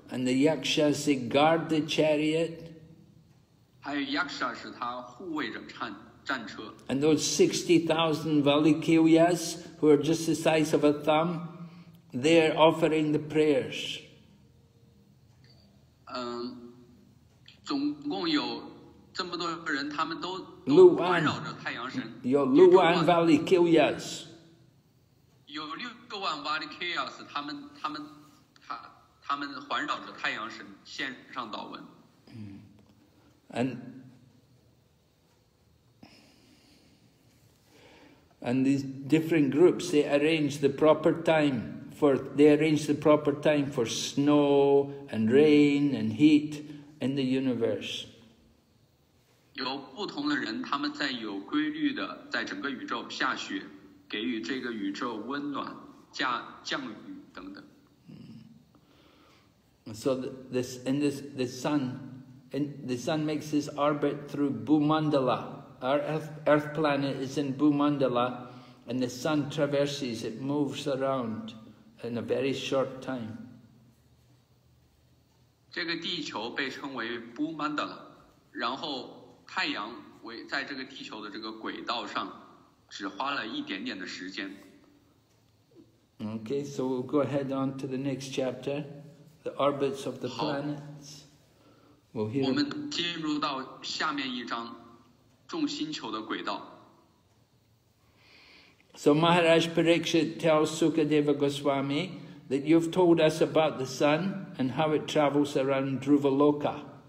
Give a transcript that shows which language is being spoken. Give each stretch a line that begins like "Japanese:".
English: And the Yakshas they guard the chariot.
Chinese: 还有 Yaksha 是他护卫着战车。
English: And those 60,000 Valikiyas who are just the size of a thumb, they are offering the prayers.
Chinese: 总共有这么多人，他们都环绕着太阳神。有六万 Valikiyas. 有六万 Valikiyas， 他们环绕着太阳神，献上祷文。
English: And these different groups, they arrange the proper time for, snow and rain and heat in the universe.
Chinese: 有不同的人，他们在有规律的在整个宇宙下雪，给予这个宇宙温暖，降雨等等。
English: So the sun, and the sun makes this orbit through Bhumandala. Our Earth planet is in Bhumandala. And the sun traverses, it moves around in a very short time.
Chinese: 这个地球被称为 Bhumandala， 然后太阳在这个地球的这个轨道上只花了一点点的时间。
English: Okay, so we'll go ahead on to the next chapter, the orbits of the planets.
Chinese: 好，我们进入到下面一章，众星球的轨道。
English: So Maharaj Parikshit tells Sukadeva Goswami that you've told us about the sun and how it travels around Dhruvaloka.